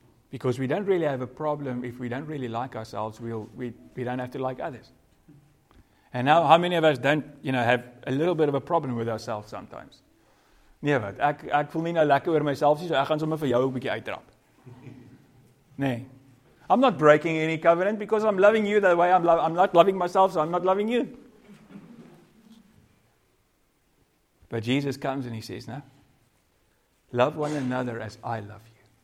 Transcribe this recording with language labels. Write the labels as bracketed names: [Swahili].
[English] Because we don't really have a problem if we don't really like ourselves, we don't have to like others. And now, how many of us don't, you know, have a little bit of a problem with ourselves sometimes? [Afrikaans] Nee, wat? Ek voel nie nou lekker oor myself nie, so ek gaan sommer vir jou 'n bietjie uitdrap. Nee. [English] I'm not breaking any covenant because I'm loving you the way I'm not loving myself, so I'm not loving you. But Jesus comes and he says, no. Love one another as I love you.